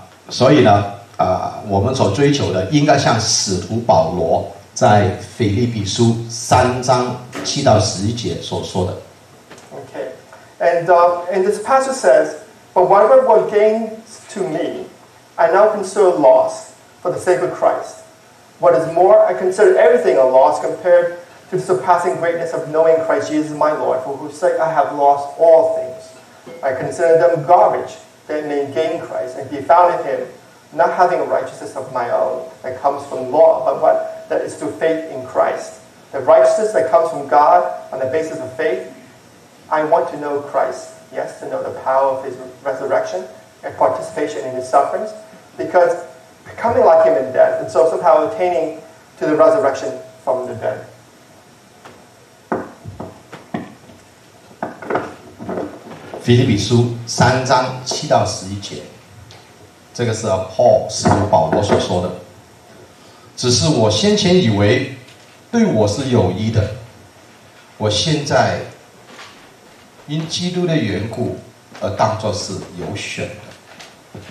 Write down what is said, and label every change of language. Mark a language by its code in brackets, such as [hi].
[zh] 所以呢，我们所追求的应该像使徒保罗在腓立比书三章七到十一节所说的。 [en] Okay. And this passage says, But whatever was gained to me, I now consider loss for the sake of Christ. What is more, I consider everything a loss compared to the surpassing greatness of knowing Christ Jesus my Lord, for whose sake I have lost all things. I consider them garbage that may gain Christ and be found in him, not having a righteousness of my own that comes from law, but what that is through faith in Christ. The righteousness that comes from God on the basis of faith, I want to know Christ. Yes, to know the power of his resurrection and participation in his sufferings, because becoming like him in death and so somehow attaining to the resurrection from the dead. [zh] Philippians 三章七到十一节，这个是 Paul 使徒保罗所说的。只是我先前以为对我是有益的。我现在因基督的缘故而当作是有选的。